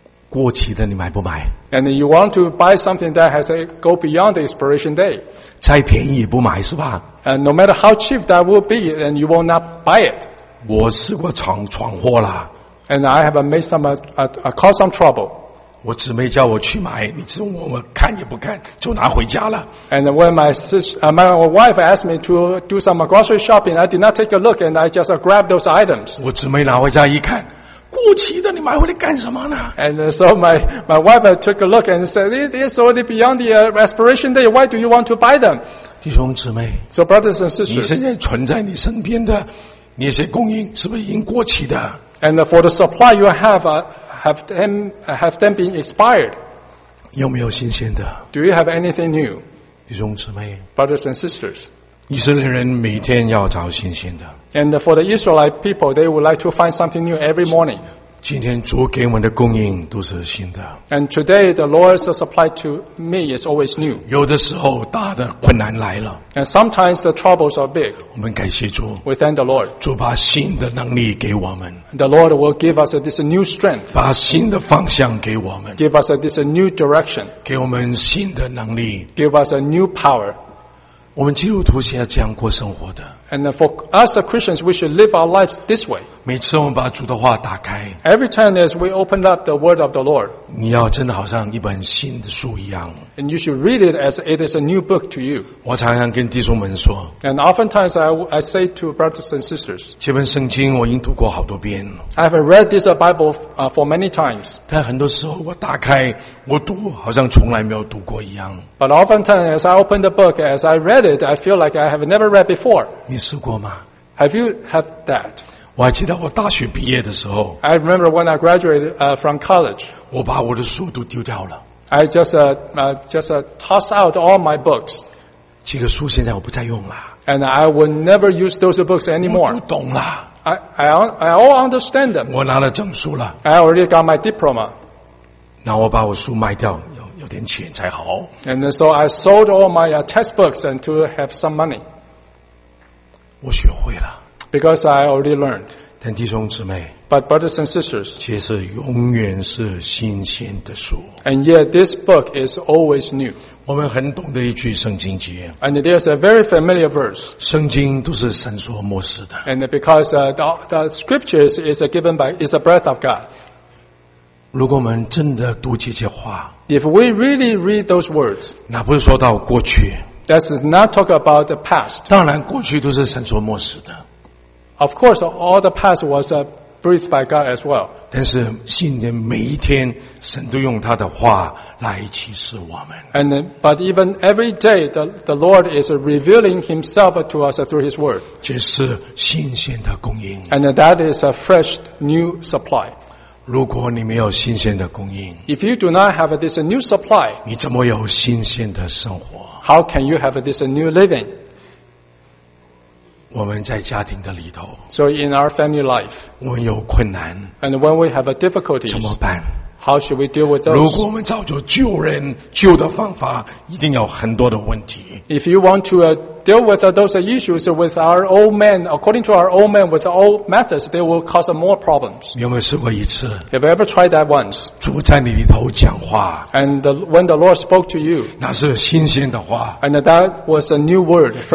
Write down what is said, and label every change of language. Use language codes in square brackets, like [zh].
[zh] 过期的你买不买？ [en] And you want to buy something that has a go beyond the expiration day. [zh] 再便宜也不买是吧？ [en] And no matter how cheap that will be, then you will not buy it. [zh] 我试过闯祸了。 [en] And I have made some, caused some trouble. [zh] 我姊妹叫我去买，你知道我看也不看，就拿回家了。 [en] And when my wife asked me to do some grocery shopping, I did not take a look and I just grabbed those items. [zh] 我姊妹拿回家一看，过期的你买回来干什么呢？ [en] And so my wife took a look and said, it is already beyond the expiration day, why do you want to buy them? [zh] 弟兄姊妹， [en] so、brothers and sisters, [zh] 你现在存在你身边的那些供应是不是已经过期的？ [en] And for the supply you have them been expired? [zh] 有没有新鲜的？ [en] Do you have anything new? [zh] 弟兄姊妹， [en] brothers and sisters, [zh] 以色列人每天要找新鲜的。 [en] And for the Israelite people, they would like to find something new every morning. [zh] 今天主给我们的供应都是新的。 [en] And today the Lord's supply to me is always new. [zh] 有的时候大的困难来了。 [en] And sometimes the troubles are big. [zh] 我们感谢主。 [en] We thank the Lord. [zh] 主把新的能力给我们。 [en] The Lord will give us this new strength. [zh] 把新的方向给我们。 [en] Give us this new direction. [zh] 给我们新的能力。 [en] Give us a new power. [zh] 我们基督徒是要这样过生活的。 [en] And for us as Christians, we should live our lives this way. [zh] 每次我们把主的话打开。 [en] Every time as we open up the word of the Lord. [zh] 你要真的好像一本新的书一样。 [en] And you should read it as it is a new book to you. [zh] 我常常跟弟兄们说。 [en] And oftentimes I say to brothers and sisters. [zh] 这本圣经我已经读过好多遍。 [en] I have read this Bible for many times. [zh] 但很多时候我打开我读好像从来没有读过一样。 [en] But oftentimes as I open the book, as I read it, I feel like I have never read before. [zh] 你试过吗 [en] ？Have you had that？ [zh] 我还记得我大学毕业的时候。 [en] I remember when I graduated from college。 [zh] 我把我的书都丢掉了。 [en] I just toss out all my books。 [zh] 这个书现在我不再用了。 [en] And I will never use those books anymore。 [zh] 我不懂 [en] 了。I all understand them。 [zh] 我拿了证书了。 [en] I already got my diploma。 [zh] 那我把我书卖掉，有点钱才好。 [en] And so I sold all my textbooks and to have some money。 [zh] 我学会了 [en] ，because I already learned. [zh] 但弟兄姊妹 [en] ，but brothers and sisters， [zh] 其实永远是新鲜的书。 [en] And yet this book is always new. [zh] 我们很懂得一句圣经节。 [en] And there is a very familiar verse. [zh] 圣经都是神所默示的。 [en] And because the scriptures is given by is a breath of God. [zh] 如果我们真的读这些话 [en] ，if we really read those words， [zh] 那不是说到过去。 [en] That's not talk about the past. [zh] 当然过去都是神所默示的。 [en] Of course, all the past was breathed by God as well. [zh] 但是新的每一天神都用他的话来启示我们。 [en] And then, but even every day, the Lord is revealing himself to us through his word. [zh] 这是新鲜的供应。 [en] And that is a fresh new supply. [zh] 如果你没有新鲜的供应 [en] ，If you do not have this new supply， [zh] 你怎么有新鲜的生活 [en] ？How can you have this new living？ [zh] 我们在家庭的里头 [en] ，So in our family life， [zh] 我们有困难 [en] ，And when we have a difficulties， [zh] 怎么办 [en] ？How should we deal with those？ [zh] 如果我们照着旧人旧的方法，一定有很多的问题。 [en] If you want to deal with those issues with our old men, according to our old men, with the old methods, they will cause more problems. [zh] 你有没有试过一次 [en] ？Have you ever tried that once? [zh] 主在你里头讲话 [en] ，and when the Lord spoke to you, [zh] 那是新鲜的话 [en] ，and that was a new word, fresh word.